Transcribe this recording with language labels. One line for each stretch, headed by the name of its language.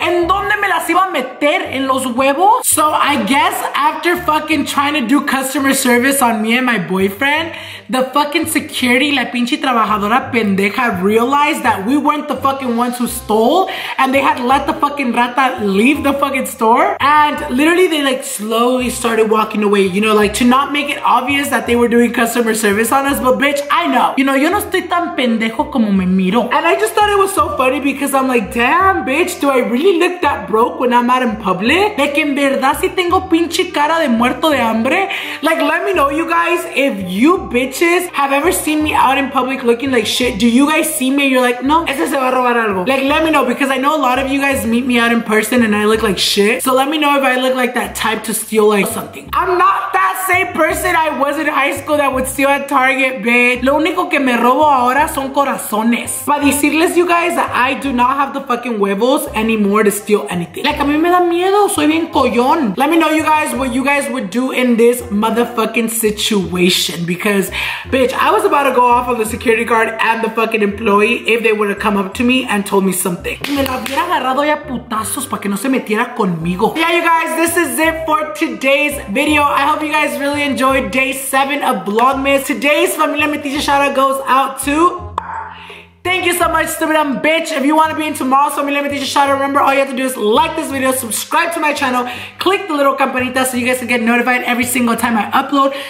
Spanish: ¿En dónde me las iba a meter? ¿En los huevos?
English: So I guess after fucking trying to do customer service on me and my boyfriend, the fucking security,
Spanish: la pinche trabajadora pendeja,
English: realized that we weren't the fucking ones who stole, and they had let the fucking rata leave the fucking store. And literally, they like slowly started walking away, you know, like to not make it obvious that they were doing customer service on us. But bitch, I know. You know,
Spanish: yo no estoy tan pendejo como me miro.
English: And I just thought it was so funny because I'm like, damn, bitch, do I really look that broke when I'm out in public?
Spanish: De que en verdad si tengo pinche cara de muerto de hambre.
English: Like, let me know, you guys, if you bitch have ever seen me out in public looking like shit. Do you guys see me and you're like,
Spanish: no, ese se va a robar algo?
English: Like, let me know, because I know a lot of you guys meet me out in person and I look like shit. So let me know if I look like that type to steal like something. I'm not that same person I was in high school that would steal at Target, babe.
Spanish: Lo único que me robo ahora son corazones.
English: Para decirles, you guys, that I do not have the fucking huevos anymore to steal anything.
Spanish: Like, a mí me da miedo, soy bien coyón.
English: Let me know, you guys, what you guys would do in this motherfucking situation, because bitch, I was about to go off of the security guard and the fucking employee if they would have come up to me and told me something.
Spanish: Me la hubiera agarrado ya putazos para que no se metiera conmigo.
English: Yeah, you guys, this is it for today's video. I hope you guys really enjoyed day 7 of Vlogmas. Today's Familia Metiche shout out goes out to... thank you so much, stupid dumb bitch. If you want to be in tomorrow's Familia Metiche shout out, remember, all you have to do is like this video, subscribe to my channel, click the little campanita so you guys can get notified every single time I upload.